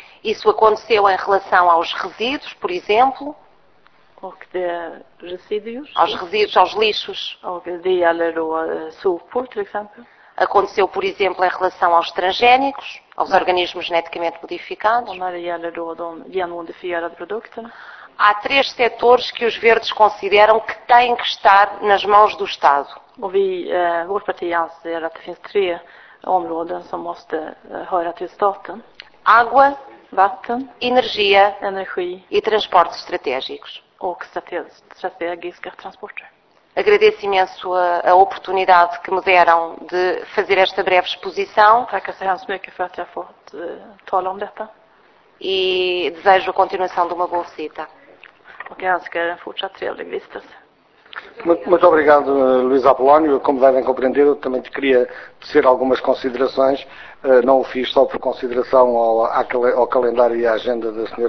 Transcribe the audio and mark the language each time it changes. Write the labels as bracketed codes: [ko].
[pt] Isso aconteceu em relação aos resíduos, por exemplo. [sv] Och de residuos. [pt] Aos resíduos, aos lixos. [sv] Och det gäller då sopor till exempel. [pt] Aconteceu, por exemplo, em relação aos transgénicos, aos organismos geneticamente modificados. [sv] Och när det gäller då de genmodifierade produkterna. [pt] Há três setores que os verdes consideram que têm que estar nas mãos do Estado. [sv] Och vi, vårt parti anser att det finns tre områden som måste höra till staten. [pt] Água, [sv] vatten, [pt] energia, [sv] energi [pt] e transportes estratégicos. [sv] Och strategiska transporter. [pt] Agradeço imenso a oportunidade que me deram de fazer esta breve exposição. [sv] Tack så hemskt mycket för att jag fått tala om detta. [pt] E desejo a continuação de uma boa visita. [sv] Och jag önskar en fortsatt trevlig vistelse. [pt] Muito obrigado, Luís Apolónio. Como devem compreender, eu também te queria dizer algumas considerações. Não o fiz só por consideração ao calendário e à agenda da Sra.